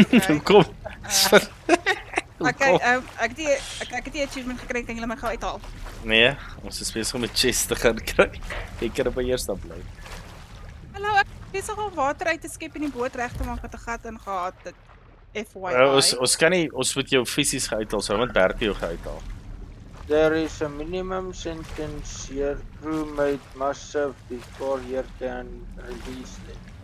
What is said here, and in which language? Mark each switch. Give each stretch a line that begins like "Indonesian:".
Afrikaans: Hoekom? Ek het die achievement gekry, kan julle my gou uithaal? Nee, ons is besig om 'n chest te gaan kry. Ek kan op my eerste bly. Hallo, ek is besig om water uit te skep en die boot reg te maak wat 'n gat ingehaat het.
English: FYI.
Afrikaans: Ons kan nie, ons moet jou fisies uithaal, so moet Bertie jou uithaal.
English: There is a minimum sentence your crewmate must serve before you can release them.